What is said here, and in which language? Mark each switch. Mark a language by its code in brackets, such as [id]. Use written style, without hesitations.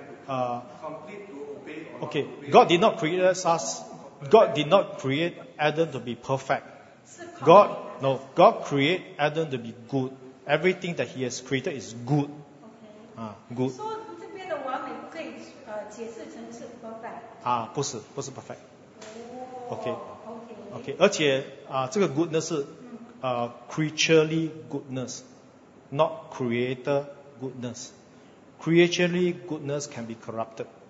[en] will be achieved in the time to come. Complete to obey. Okay, God did not create us. God did not create Adam to be perfect. God created Adam to be good. Everything that he has created is good. Okay. Good. [zh] So, 这边的完美可以解释成是 perfect. 不是，不是 perfect. [en] Okay. Okay. [zh] 而且这个 [en] goodness [zh] 是 [en] creaturely goodness, not creator goodness. Creaturely goodness can be corrupted.